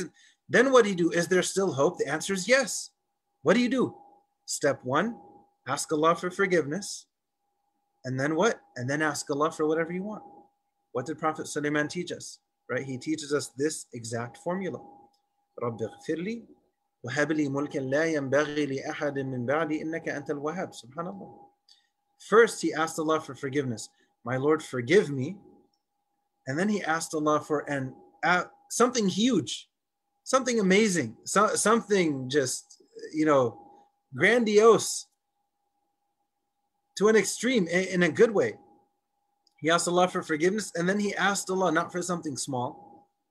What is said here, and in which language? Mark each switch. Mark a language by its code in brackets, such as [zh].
[en] And then what do you do? Is there still hope? The answer is yes. What do you do? Step one. Ask Allah for forgiveness. And then what? And then ask Allah for whatever you want. What did Prophet Sulaiman teach us? Right? He teaches us this exact formula. [ar] رَبِّ اغْفِرْ لِي وَهَبْ لِي مُلْكًا لَا يَنْبَغِي لِأَحَدٍ مِّن بَعْدِي إِنَّكَ أَنْتَ الْوَهَابُ SubhanAllah. [en] First, he asked Allah for forgiveness. My Lord, forgive me. And then he asked Allah for something huge, something amazing, something just, you know, grandiose. To an extreme, in a good way. He asked Allah for forgiveness, and then he asked Allah not for something small.